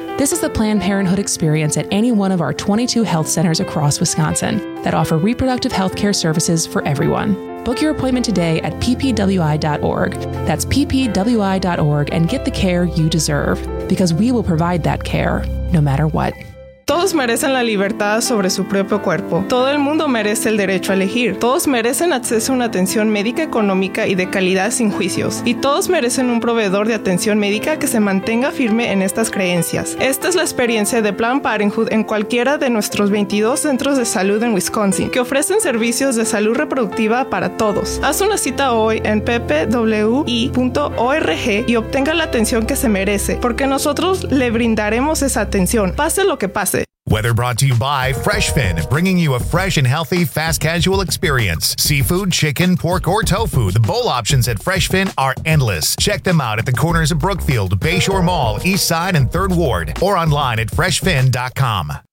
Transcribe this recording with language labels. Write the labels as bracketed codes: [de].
[en] This is the Planned Parenthood experience at any one of our 22 health centers across Wisconsin that offer reproductive health care services for everyone. Book your appointment today at ppwi.org. That's ppwi.org, and get the care you deserve, because we will provide that care no matter what. [es] Todos merecen la libertad sobre su propio cuerpo. Todo el mundo merece el derecho a elegir. Todos merecen acceso a una atención médica económica y de calidad sin juicios. Y todos merecen un proveedor de atención médica que se mantenga firme en estas creencias. Esta es la experiencia de Planned Parenthood en cualquiera de nuestros 22 centros de salud en Wisconsin, que ofrecen servicios de salud reproductiva para todos. Haz una cita hoy en ppwi.org y obtenga la atención que se merece, porque nosotros le brindaremos esa atención, pase lo que pase. [en] Weather brought to you by Freshfin, bringing you a fresh and healthy fast casual experience. Seafood, chicken, pork, or tofu. The bowl options at Freshfin are endless. Check them out at the corners of Brookfield, Bayshore Mall, East Side, and Third Ward, or online at freshfin.com.